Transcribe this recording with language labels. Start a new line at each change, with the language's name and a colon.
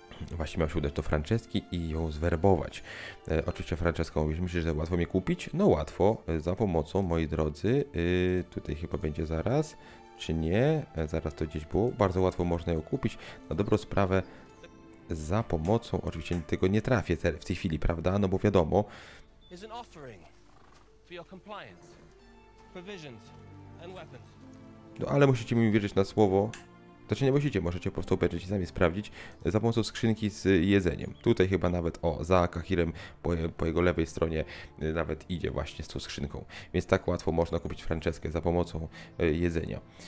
Polish: Właśnie miał się udać do Franceski i ją zwerbować. Oczywiście Franceska mówi, że myślisz, że łatwo mnie kupić? No łatwo, za pomocą, moi drodzy, tutaj chyba będzie zaraz, czy nie, zaraz to gdzieś było, bardzo łatwo można ją kupić, na dobrą sprawę, za pomocą, oczywiście tego nie trafię w tej chwili, prawda, no bo wiadomo.
English: Jest an offering for your compliance, provisions and weapons.
Polish: No ale musicie mi wierzyć na słowo. Znaczy nie musicie, możecie po prostu obejrzeć i sami sprawdzić za pomocą skrzynki z jedzeniem. Tutaj chyba nawet, o, za Kahirem po jego lewej stronie nawet idzie właśnie z tą skrzynką. Więc tak łatwo można kupić Franceskę za pomocą jedzenia.